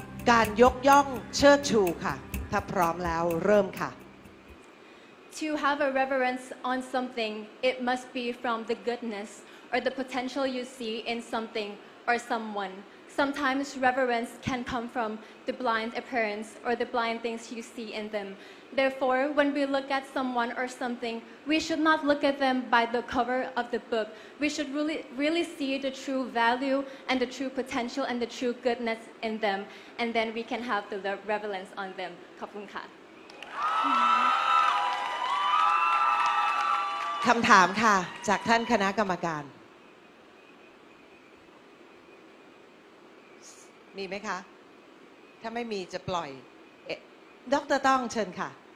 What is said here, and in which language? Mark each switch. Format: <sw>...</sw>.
<th>การยกย่องเชิดชูค่ะถ้าพร้อมแล้วเริ่มค่ะ</th> <en>To have a reverence on something it must be from the goodness or the potential you see in something or someone Sometimes reverence can come from the blind appearance or the blind things you see in themTherefore, when we look at someone or something, we should not look at them by the cover of the book. We should really, really see the true value and the true potential and the true goodness in them. And then we can have the reverence on them.</en> <th>ขอบคุณค่ะ คำถามค่ะจากท่านคณะกรรมการมีไหมคะถ้าไม่มีจะปล่อยดร. ต้องเชิญค่ะ</th>